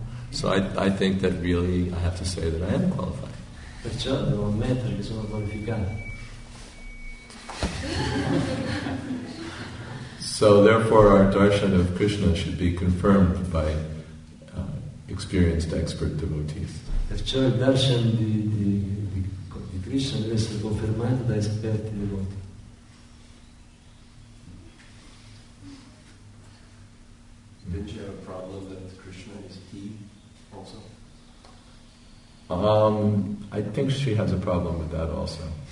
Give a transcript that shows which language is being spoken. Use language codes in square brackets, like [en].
[en] So I think that really I have to say that I am qualified. [it] Qualificato. [en] So therefore our darshan of Krishna should be confirmed by experienced expert devotees. [it] Perciò il darshan di Krishna deve essere confermato da esperti devoti. [en] Did you have a problem that Krishna is he also? I think she has a problem with that also.